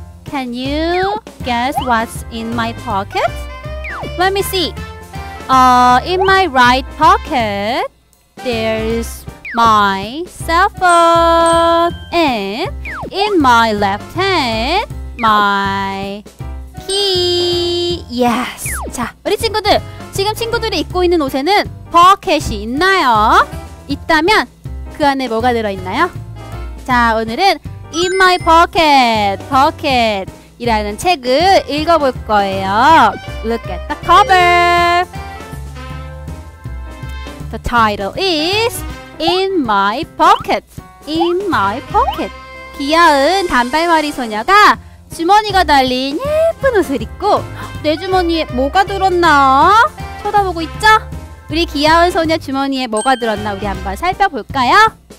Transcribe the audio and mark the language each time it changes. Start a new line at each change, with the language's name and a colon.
English: Can you guess what's in my pocket? Let me see. In my right pocket, there's my cell phone. And in my left hand, my key. Yes.
Korean: 자, 우리 친구들, 지금 친구들이 입고 있는 옷에는 버킷이 있나요? 있다면 그 안에 뭐가 들어있나요? 자, 오늘은 In My Pocket, 버킷이라는 책을 읽어볼 거예요.
English: Look at the cover. The title is In My Pocket. In My Pocket.
Korean: 귀여운 단발머리 소녀가 주머니가 달린 예쁜 옷을 입고 내 주머니에 뭐가 들었나 쳐다보고 있죠? 우리 귀여운 소녀 주머니에 뭐가 들었나 우리 한번 살펴볼까요?